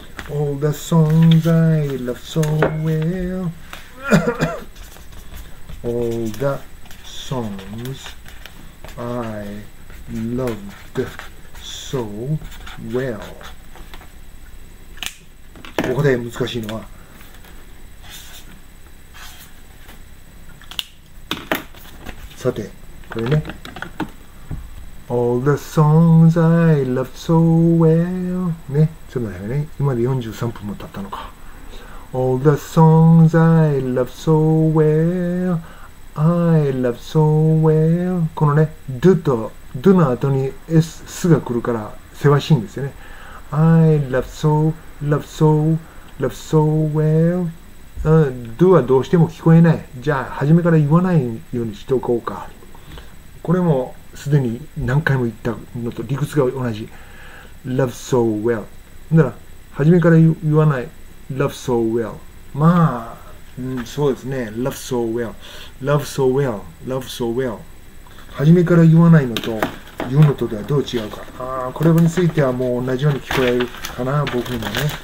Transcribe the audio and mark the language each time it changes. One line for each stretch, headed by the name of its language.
English: All the songs I love so well. All the songs I loved so well.
Japanese: ここで難しいのは、さてこれね。
English: All the songs I loved so well.
Japanese: ね、ちょっと待ってね。今で43分も経ったのか。
English: All the songs I loved so well. I loved so well.
Japanese: このね、do と do の後に s すが来るから、せわしいんですよね。
English: I loved so, loved so, loved so well.
Japanese: do はどうしても聞こえない。じゃあ、初めから言わないようにしておこうか。これも、すでに何回も言ったのと理屈が同じ。
English: Love so well。
Japanese: なら、初めから言わない。
English: Love so well。
Japanese: まあ、うん、そうですね。
English: Love so well。Love so well。Love so well。
Japanese: 初めから言わないのと、言うのとではどう違うか。ああ、これについてはもう同じように聞こえるかな、僕にもね。